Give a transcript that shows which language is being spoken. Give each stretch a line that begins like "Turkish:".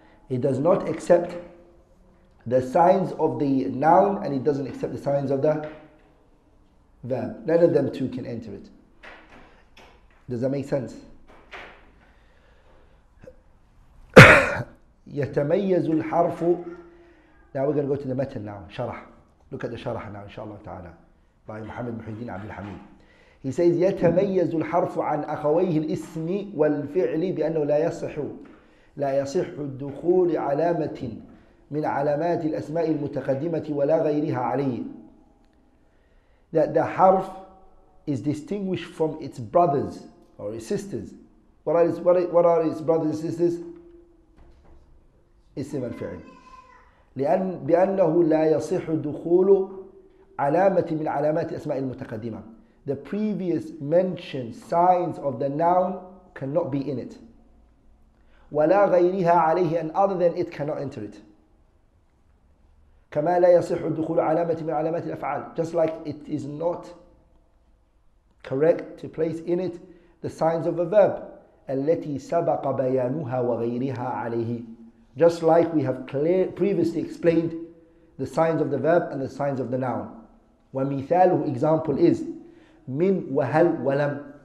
English: It does not accept the signs of the noun and it doesn't accept the signs of the verb. None of them two can enter it. Does that make sense?
Arabic: يتميز الحرف.
English: Now we're going to go to the matan now. شرح. Look at the شرح now, inshallah ta'ala. By Muhammad Muhyiddin Abdul Hamid. He says,
Arabic: يتميز الحرف عن أخويه الاسم والفعل بأنه لا يصح, لا يصح الدخول علامة من علامات الأسماء المتقدمة ولا غيرها عليه.
English: That the harf is distinguished from its brothers or its sisters. What are its brothers and sisters?
Arabic: اسم الفعل. لأن بأنه لا يصح دخول علامة من علامات الأسماء المتقدمة.
English: The previous mentioned signs of the noun cannot be in it.
Arabic: ولا غيرها عليه,
English: and other than it cannot enter it.
Arabic: كما لا يصح دخول علامة من علامات الأفعال.
English: Just like it is not correct to place in it the signs of a verb
Arabic: التي سبق بيانها وغيرها عليه.
English: Just like we have previously explained the signs of the verb and the signs of the noun.
Arabic: ومثاله,
English: example is
Arabic: من وهل ولم.